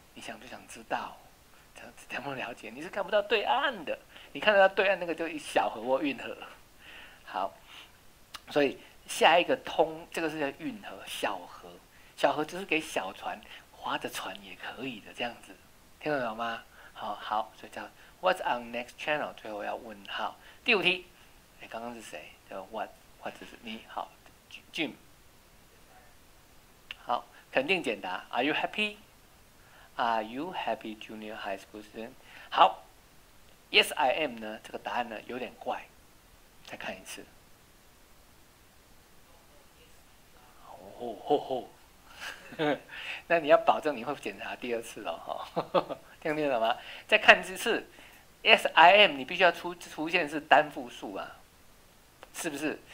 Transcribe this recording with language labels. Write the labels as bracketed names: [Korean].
[Chinese] 你想不想知道？怎么了解？你是看不到对岸的，你看得到对岸那个就小河或运河。好，所以下一个通这个是叫运河，小河，小河就是给小船划着船也可以的这样子。听得懂吗？好好，所以叫 [English] What's on next channel？ [Chinese] 最后要问号。第五题，哎，刚刚是谁？叫 What 是你好 ，Jim。好，肯定简答。 [English] Are you happy？ Are you happy, junior high school student？好 ，Yes, I am 呢？ [Chinese] 这个答案呢有点怪，再看一次。吼吼吼！那你要保证你会检查第二次了哈，听见了吗？再看一次 ， [English] Yes I am， [Chinese] 你必须要出现是单复数啊，是不是？